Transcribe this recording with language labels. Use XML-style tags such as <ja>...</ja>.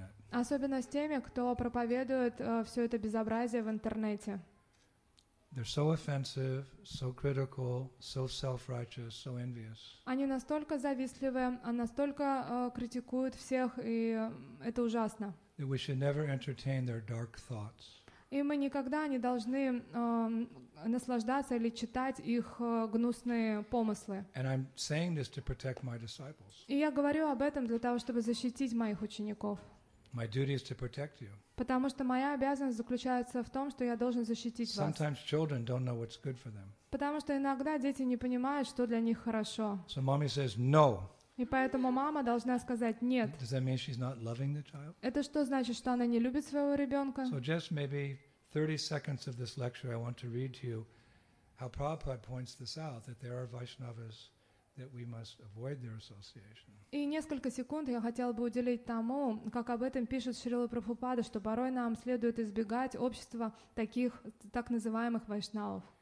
<ru>Особенно с теми, кто проповедует все это безобразие в интернете.</ru> <en>They're so offensive, so critical, so self-righteous, so envious.</en> <ru>Они настолько завистливы, они настолько критикуют всех, и это ужасно.</ru> <en>That we should never entertain their dark thoughts.</en> <ru>И мы никогда не должны наслаждаться или читать их гнусные помыслы.</ru> <en>And I'm saying this to protect my disciples.</en> <ru>И я говорю об этом для того, чтобы защитить моих учеников.</ru> <en>My duty is to protect you.</en> <ru>Потому что моя обязанность заключается в том, что я должен защитить</ru> <en>Sometimes</en> <ru>вас.</ru> <en>Children don't know what's good for them.</en> <ru>Потому что иногда дети не понимают, что для них хорошо.</ru> <en>So mommy says no.</en> <ru>И поэтому мама должна сказать нет.</ru> <en>Does that mean she's not loving the child?</en> <ru>Это что значит, что она не любит своего ребенка?</ru> <en>So just maybe 30 seconds of this lecture, I want to read to you how Prabhupada points this out, that there are Vaishnavas, that we must avoid their association.</en> <ru>И несколько секунд я хотел бы уделить тому, как об этом пишет Шрила Прабхупада, что порой нам следует избегать общества таких так называемых вайшнавов.</ru>